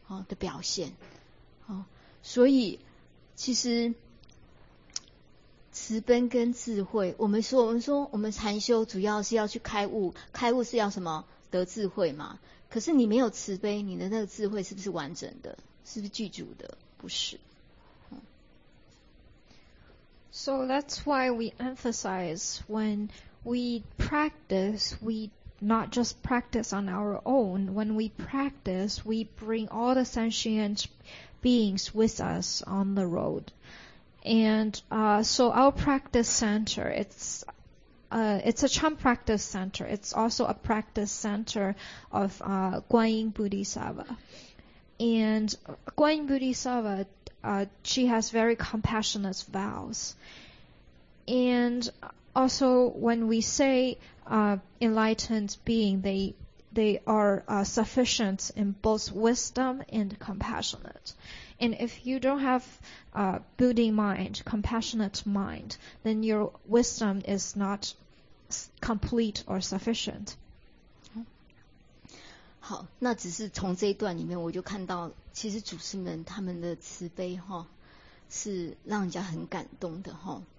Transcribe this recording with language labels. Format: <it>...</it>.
<zh>的表现，所以其实慈悲跟智慧，我们说禅修主要是要去开悟，开悟是要什么？得智慧嘛，可是你没有慈悲，你的那个智慧是不是完整的？是不是具足的？不是。</zh> <en>So that's why we emphasize when we practice, we not just practice on our own. When we practice, we bring all the sentient beings with us on the road. And so our practice center, it's a Chan practice center. It's also a practice center of Guanyin Bodhisattva. And Guanyin Bodhisattva, she has very compassionate vows. And also when we say enlightened being, they are sufficient in both wisdom and compassionate. And if you don't have a Bodhi mind, compassionate mind, then your wisdom is not complete or sufficient.</en> <zh>好，那只是从这一段里面我就看到，其实祖师们他们的慈悲哈，是让人家很感动的哈。</zh>